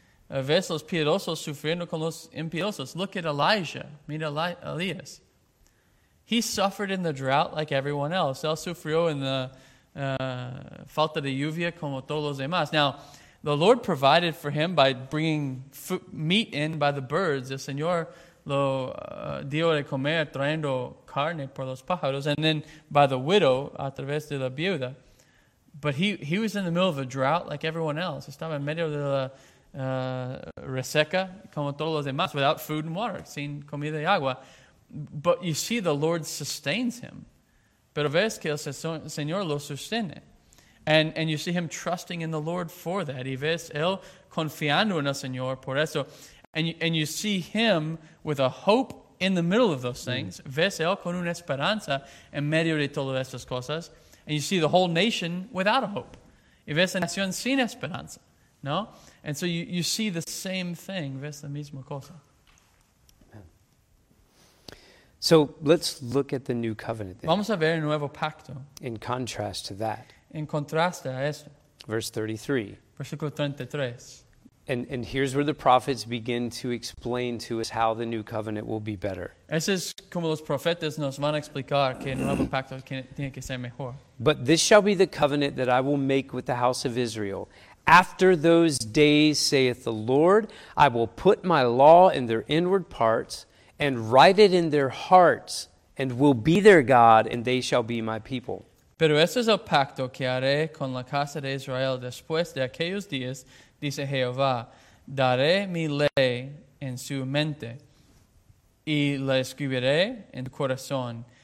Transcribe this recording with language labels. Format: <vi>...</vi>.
<es>Ves los piedosos sufriendo con los impiedosos.</es> <en>Look at Elijah.</en> <es>Mira Elias.</es> <en>He suffered in the drought like everyone else.</en> <es>Él sufrió en falta de lluvia como todos los demás.</es> <en>Now, the Lord provided for him by bringing meat in by the birds.</en> <es>El Señor lo dio de comer trayendo carne por los pájaros,</es> <en>and then by the widow,</en> <es>a través de la viuda.</es> <en>But he was in the middle of a drought like everyone else.</en> <es>Estaba en medio de la reseca como todos los demás,</es> <en>without food and water,</en> <es>sin comida y agua.</es> <en>But you see, the Lord sustains him.</en> <es>Pero ves que el Señor lo sostiene.</es> <en>And you see him trusting in the Lord for that.</en> <es>Y ves él confiando en el Señor por eso.</es> <en>And you see him with a hope in the middle of those things. Mm.</en> <es>Ves él con una esperanza en medio de todas estas cosas.</es> <en>And you see the whole nation without a hope.</en> <es>Y ves la nación sin esperanza. No?</es> <en>And so you see the same thing.</en> <es>Ves la misma cosa.</es> <en>So let's look at the new covenant. Then.</en> <es>Vamos a ver el nuevo pacto.</es> <en>In contrast to that.</en> <es>En contraste a eso.</es> <en>Verse 33.</en> <es>Versículo 33.</es> <en>And here's where the prophets begin to explain to us how the new covenant will be better.</en> <es>Eso es como los profetas nos van a explicar que el nuevo pacto tiene que ser mejor.</es> <en>But this shall be the covenant that I will make with the house of Israel. After those days, saith the Lord, I will put my law in their inward parts, and write it in their hearts, and will be their God, and they shall be my people.</en> <es>Pero este es el pacto que haré con la casa de Israel después de aquellos días, dice Jehová. Daré mi ley en su mente, y la escribiré en su corazón.</es>